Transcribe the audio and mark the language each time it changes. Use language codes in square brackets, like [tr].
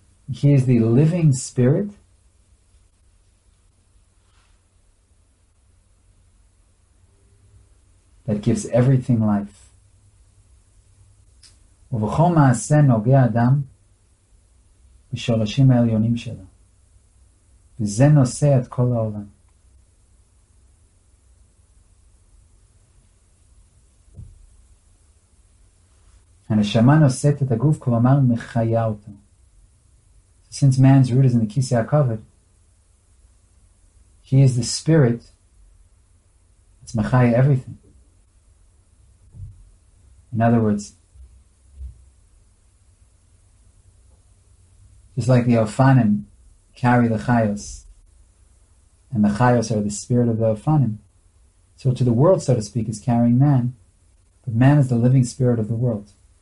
[en] He is the living spirit that gives everything life. [he] ובכל מעשה נוגע אדם בשורשים העליונים שלו. וזה נושא את כל העולם. הנשמה נושאת את הגוף, כלומר מחיה אותו. [en] So since man's root is in the Kisei HaKavod, he is the spirit that's mechaya everything. In other words, just like the Ofanim carry the Chayos, and the Chayos are the spirit of the Ofanim, so to the world, so to speak, is carrying man, but man is the living spirit of the world.